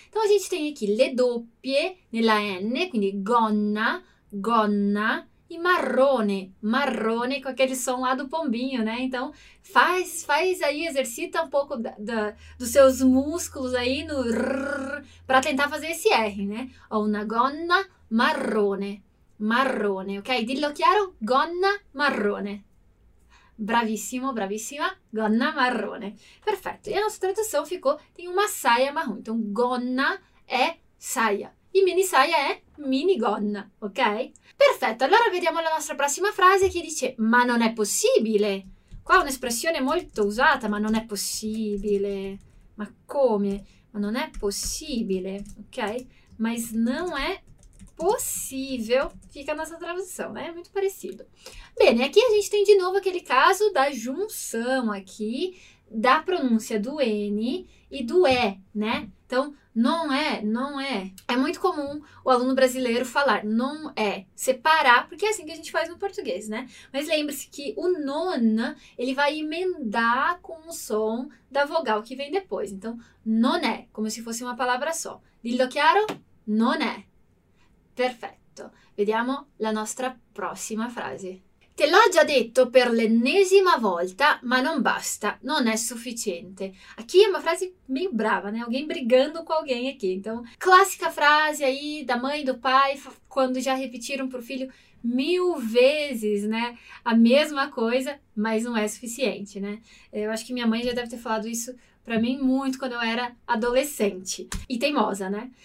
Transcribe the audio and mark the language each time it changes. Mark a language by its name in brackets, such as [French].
[Portuguese] Então a gente tem aqui [Italian] le doppie nella N, quindi gonna, gonna e marrone. [Portuguese] Marrone com aquele som lá do pombinho, né? Então faz aí, exercita um pouco dos seus músculos aí no rrr, para tentar fazer esse R, né? [Italian] Ho una gonna marrone. Marrone, ok? Dillo chiaro, gonna marrone. Bravissimo, bravissima, gonna marrone. Perfetto. [Portuguese] E a nostra tradução ficou: tem uma saia marrom. Então, gonna é saia. E mini saia é minigonna, ok? Perfetto. [Italian] Allora, vediamo la nostra prossima frase che dice: ma non è possibile. Qua un'espressione molto usata, ma non è possibile. Ma come? Ma non è possibile, ok? [Portuguese] Mas não é possível, fica nessa tradução, né? É muito parecido. Bem, aqui a gente tem de novo aquele caso da junção aqui da pronúncia do N e do E, né? Então, não é, não é. É muito comum o aluno brasileiro falar não é, separar, porque é assim que a gente faz no português, né? Mas lembre-se que o nona, ele vai emendar com o som da vogal que vem depois. Então, non è, como se fosse uma palavra só. [Italian] Lillo chiaro? Non è. Perfetto. Vediamo la nostra prossima frase. Te l'ho già detto per l'ennesima volta, ma non basta, non è sufficiente. [Portuguese] Aqui é uma frase meio brava, né? Alguém brigando com alguém aqui. Então, clássica frase aí da mãe e do pai, quando já repetiram pro filho mil vezes, né? A mesma coisa, mas não é suficiente, né? Eu acho que minha mãe já deve ter falado isso pra mim muito quando eu era adolescente. E teimosa, né?